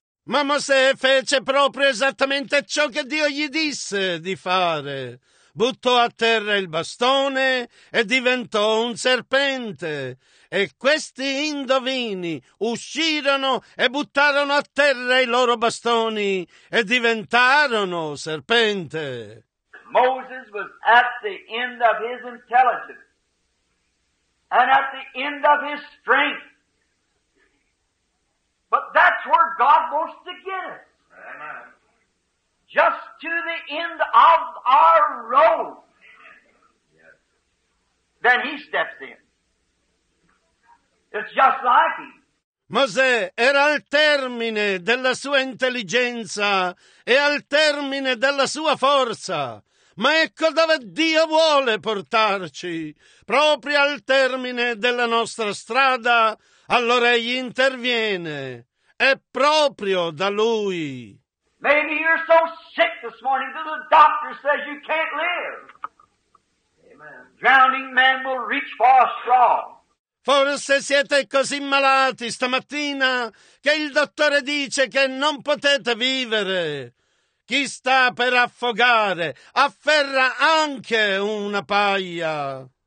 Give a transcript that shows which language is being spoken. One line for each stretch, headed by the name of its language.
Italian: Ma Mosè fece proprio esattamente ciò che Dio gli disse di fare. Buttò a terra il bastone e diventò un serpente. E questi indovini uscirono e buttarono a terra i loro bastoni e diventarono serpente.
English: Moses was at the end of his intelligence and at the end of his strength. But that's where God wants to get us. Just to the end of our road. Yes. Then he steps in. It's just like him.
Italian: Mosè era al termine della sua intelligenza e al termine della sua forza. Ma ecco dove Dio vuole portarci, proprio al termine della nostra strada, allora egli interviene. È proprio da lui.
English: Maybe you're so sick this morning that the doctor says you can't live. Amen. Drowning man will reach for a straw.
Italian: Forse siete così malati stamattina che il dottore dice che non potete vivere. Chi sta per affogare afferra anche una paglia.